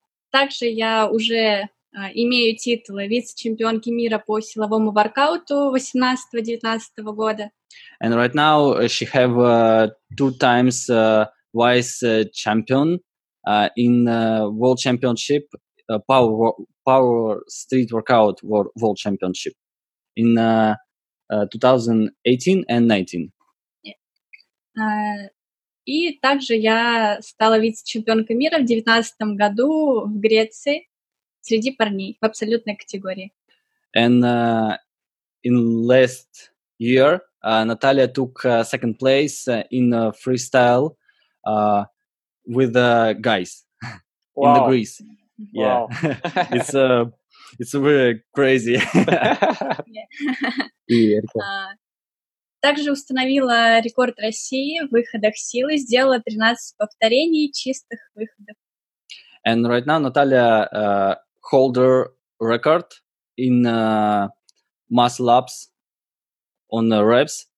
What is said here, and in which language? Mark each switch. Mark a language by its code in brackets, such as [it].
[ru] Также я уже имею титул вице-чемпионки мира по силовому воркауту 18-19 года. [en] And right now she have two times vice champion in world championship power street workout world championship in 2018 and 19. [ru] И также я стала вице-чемпионкой мира в 2019 году в Греции среди парней в абсолютной категории. [en] And in last year, Natalia took second place in freestyle with the guys. Wow. In the Greece. Wow. Yeah. it's really crazy. Yeah. [ru] Также установила рекорд России в выходах силы, сделала 13 повторений чистых выходов. [en] And right now Natalia holder record in muscle ups on reps.